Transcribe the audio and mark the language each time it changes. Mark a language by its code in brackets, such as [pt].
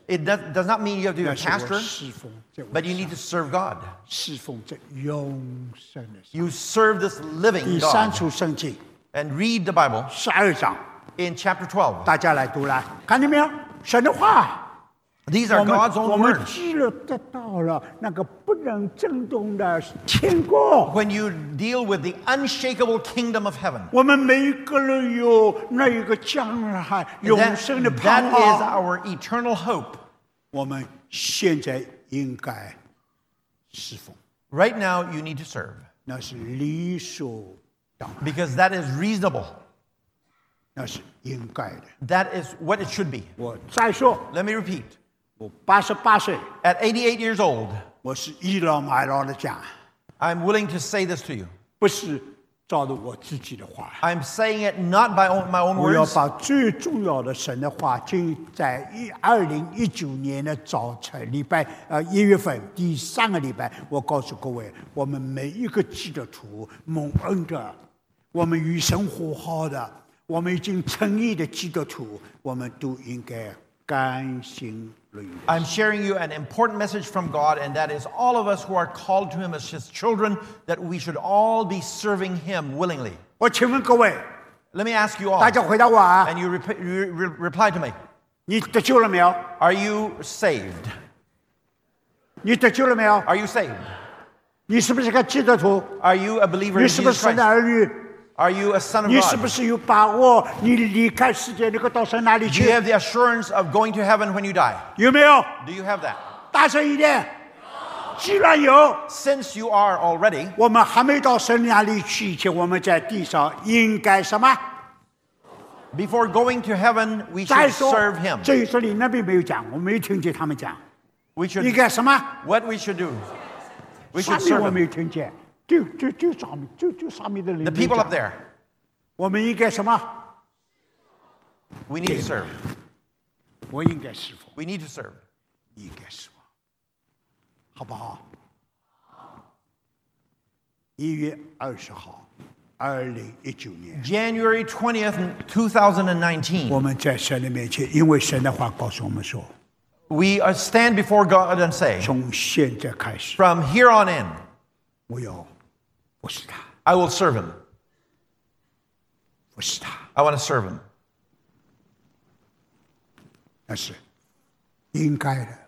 [en] It does not mean you have to be a pastor. But you need to serve God. [zh] 侍奉这永生的。 [en] You serve this living God. [zh] 第三处圣经。 [en] And read the Bible. [zh] 十二章。 [en] In chapter 12, [zh] 大家来读来，看见没有？神的话。 [en] These are God's own words. [zh] 我们记录得到了那个不能震动的天国。 [en] When you deal with the unshakable kingdom of heaven, [zh] 我们每一个人有那一个将来永生的盼望。 [en] That is our eternal hope. [zh] 我们现在应该侍奉。 [en] Right now, you need to serve. [zh] 那是理所当然。 [en] Because that is reasonable. [zh] 那是应该的。 [en] That is what it should be. [zh] 我再说。 [en] Let me repeat. [zh] 我八十八岁。 [en] At 88 years old. [zh] 我是倚老卖老的讲。 [en] I'm willing to say this to you. [zh] 不是照着我自己的话。 [en] I'm saying it not by my own words. [zh] 我要把最重要的神的话，就在2019年的早晨，礼拜一月份第三个礼拜，我告诉各位，我们每一个基督徒蒙恩的。我们与神和好的，我们已经称义的基督徒，我们都应该甘心乐意。 [en] I'm sharing you an important message from God, and that is all of us who are called to Him as His children, that we should all be serving Him willingly. [zh] 我请问各位 [en] ，Let me ask you all. [zh] 大家回答我啊 [en] ！And you reply to me. [zh] 你得救了没有 [en] ？Are you saved? [zh] 你得救了没有 [en] ？Are you saved? [zh] 你是不是个基督徒 [en] ？Are you a believer in Jesus Christ? [zh] 你是不是神的儿女？ [en] Are you a son of God? [zh] 你是不是有把握你离开世界那个到神那里去 [en] Do you have the assurance of going to heaven when you die? [zh] 有没有 [en] Do you have that? [zh] 大声一点既然有 [en] Since you are already [zh] 我们还没到神那里去以前我们在地上应该什么 [en] Before going to heaven, we should serve him. [zh] 这一说你那边没有讲我没听见他们讲 [en] We should, [zh] 应该什么 [en] What we should do? We should serve him. [zh] 上面我没听见就上面就上面的人 [en] The people up there. [zh] 我们应该什么 [en] We need to serve. [zh] 我应该侍奉 [en] We need to serve. [zh] 应该侍奉好不好1月20号2019年 [en] January 20th, 2019. [zh] 我们在神的面前因为神的话告诉我们说 [en] We stand before God and say, [zh] 从现在开始 [en] From here on in, [zh] 我要 [en] I will serve him. [zh] 不是他 [en] I want to serve him. [zh] 那是应该的